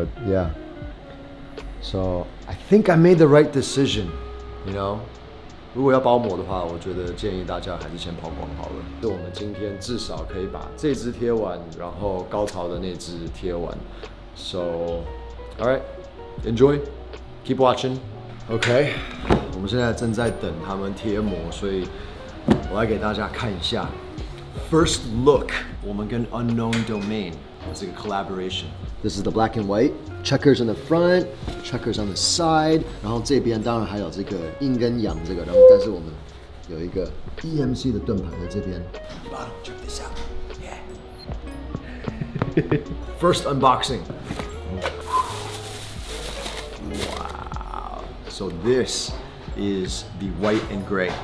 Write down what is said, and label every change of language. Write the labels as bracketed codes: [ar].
[en] But yeah， so I think I made the right decision， you know。 [zh] 如果要包膜的话，我觉得建议大家还是先抛光好了。就我们今天至少可以把这只贴完，然后高潮的那只贴完。 [en] So, all right, enjoy, keep watching. [zh] OK, 我们现在正在等他们贴膜，所以我来给大家看一下。 [en] First look, [zh] 我们跟 Unknown Domain 这个 collaboration。 [en] This is the black and white checkers in the front, checkers on the side. [zh] 然后这边当然还有这个阴跟阳这个，然后但是我们有一个 EMC 的盾牌在这边。 [en] Bottom, check this out. Yeah. First unboxing. Wow. So this is the white and gray.